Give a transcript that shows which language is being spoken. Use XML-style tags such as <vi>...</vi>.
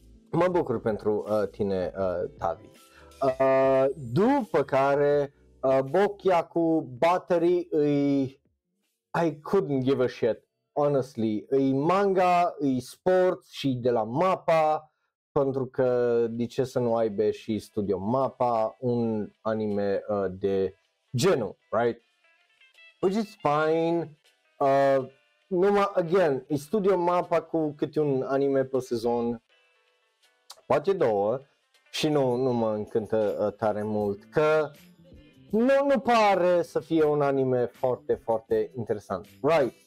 <ro>Mă bucur pentru tine, Tavi. După care,</ro> <en>Bokyaku Battery, I couldn't give a shit.</en> <ro>Honestly, e manga, e sport și de la MAPPA, pentru că de ce să nu aibă și studio MAPPA un anime de genul, right?</ro> <en>Which is fine,</en> <ro>numai, again, e studio MAPPA cu câte un anime pe sezon, poate două, și nu mă încântă tare mult, că nu pare să fie un anime foarte, foarte interesant, right?</ro>